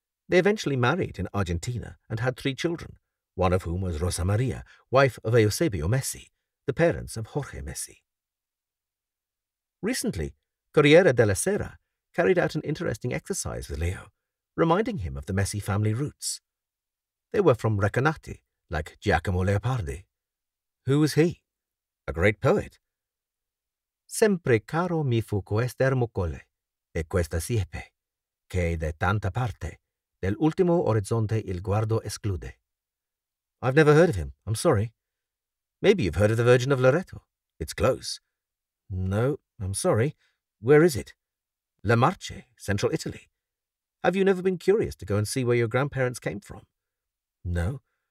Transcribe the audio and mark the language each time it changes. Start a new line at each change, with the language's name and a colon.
English: They eventually married in Argentina and had three children, one of whom was Rosa Maria, wife of Eusebio Messi, the parents of Jorge Messi. Recently, Corriere della Sera carried out an interesting exercise with Leo, reminding him of the Messi family roots. They were from Recanati, like Giacomo Leopardi. Who was he? A great poet.
Italian: Sempre caro mi fu quest'ermo colle, e questa siepe, che de tanta parte, dell'ultimo orizzonte il guardo esclude.
English: I've never heard of him, I'm sorry. Maybe you've heard of the Virgin of Loreto. It's close. No, I'm sorry. Where is it? La Marche, central Italy. Have you never been curious to go and see where your grandparents came from? No.